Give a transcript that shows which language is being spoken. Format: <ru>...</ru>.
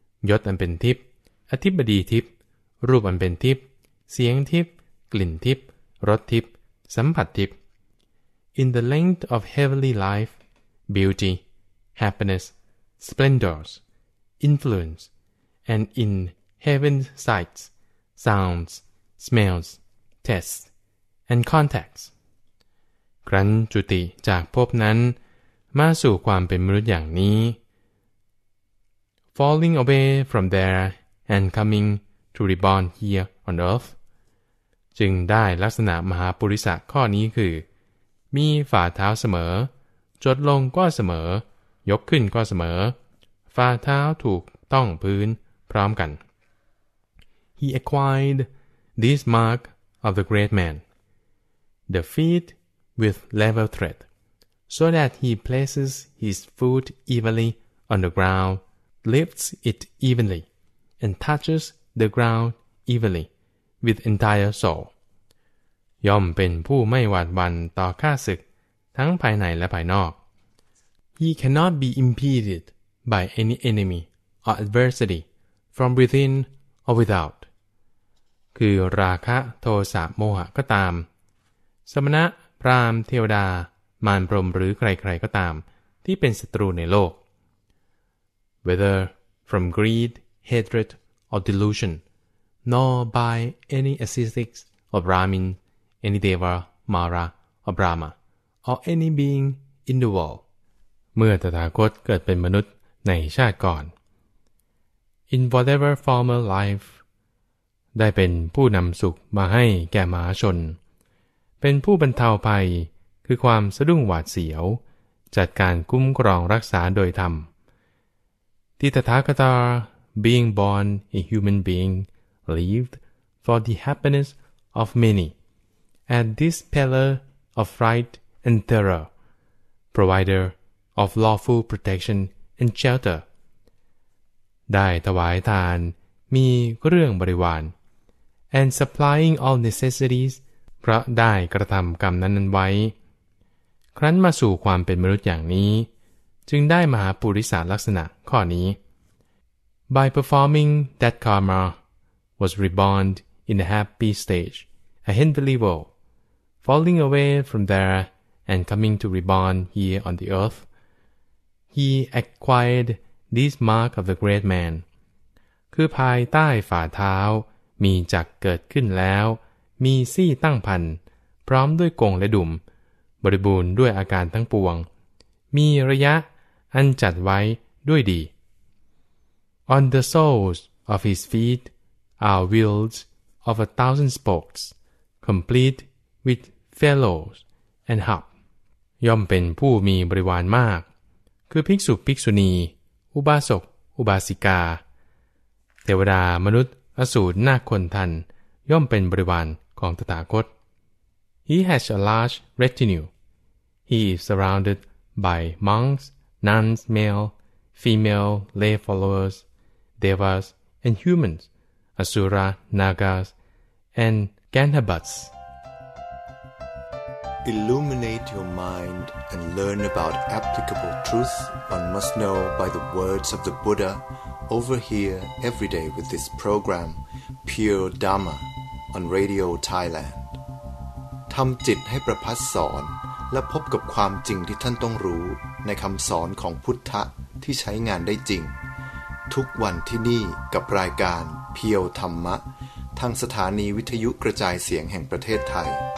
<th>ยศอันเป็นทิพย์อธิบดีทิพย์รูปอันเป็นทิพย์เสียงทิพย์กลิ่นทิพย์รสทิพย์สัมผัสทิพย์</th> <en>in the length of heavenly life beauty happiness splendors influence and in heaven's sights soundsSmells, tests, and contacts.</en> <th>ครั้นจุติจากภพนั้นมาสู่ความเป็นมนุษย์อย่างนี้</th> <en>Falling away from there and coming to reborn here on earth,</en> <th>จึงได้ลักษณะมหาปุริสะข้อนี้คือมีฝ่าเท้าเสมอจดลงก็เสมอยกขึ้นก็เสมอฝ่าเท้าถูกต้องพื้นพร้อมกัน</th> <en>He acquiredThis mark of the great man, the feet with level tread, so that he places his foot evenly on the ground, lifts it evenly, and touches the ground evenly with entire soul.</en> <th>ย่อมเป็นผู้ไม่หวาดหวั่นต่อข้าศึกทั้งภายในและภายนอก</th> <en>He cannot be impeded by any enemy or adversity from within or without.</en> <th>คือราคะโทสะโมหะก็ตามสมณะพราหมณ์เทวดามารพรหมหรือใครๆก็ตามที่เป็นศัตรูในโลก</th> <en>whether from greed hatred or delusion nor by any ascetics or brahmin any deva mara or brahma or any being in the world</en> <th>เมื่อตถาคตเกิดเป็นมนุษย์ในชาติก่อน</th> <en>in whatever former life</en> <th>ได้เป็นผู้นำสุขมาให้แก่มหาชนเป็นผู้บรรเทาภัยคือความสะดุ้งหวาดเสียวจัดการคุ้มครองรักษาโดยธรรม</th> <en>ทิฏฐากตา being born a human being lived for the happiness of many and this pillar of right and terror provider of lawful protection and shelter</en> <th>ได้ถวายทานมีเรื่องบริวาร</th> <en>and supplying all necessities</en> <th>เพราะได้กระทำกรรมนั้นไว้ครั้นมาสู่ความเป็นมนุษย์อย่างนี้จึงได้มหาปุริสาลักษณะข้อนี้</th> <en>by performing that karma was reborn in a happy stage a heavenly world falling away from there and coming to reborn here on the earth he acquired this mark of the great man</en> <th>คือภายใต้ฝ่าเท้ามีจักเกิดขึ้นแล้วมีซี่ตั้งพันพร้อมด้วยกงและดุมบริบูรณ์ด้วยอาการทั้งปวงมีระยะอันจัดไว้ด้วยดี</th> <en>On the soles of his feet are wheels of 1,000 spokes complete with fellows and hub</en> <th>ย่อมเป็นผู้มีบริวารมากคือภิกษุภิกษุณีอุบาสกอุบาสิกาเทวดามนุษย์อสูรนาคคนทันย่อมเป็นบริวารของตถาคต</th> <en>He has a large retinue. He is surrounded by monks, nuns, male, female, lay followers, devas, and humans, asura, nagas, and ganhabats. Illuminate your mind and learn about applicable truth one must know by the words of the Buddha. Over here every day with this program Pure Dharma on Radio Thailand</en> <th>ทำจิตให้ประพัสสอนและพบกับความจริงที่ท่านต้องรู้ในคำสอนของพุทธะที่ใช้งานได้จริงทุกวันที่นี่กับรายการ Pure Dharma ทางสถานีวิทยุกระจายเสียงแห่งประเทศไทย</th>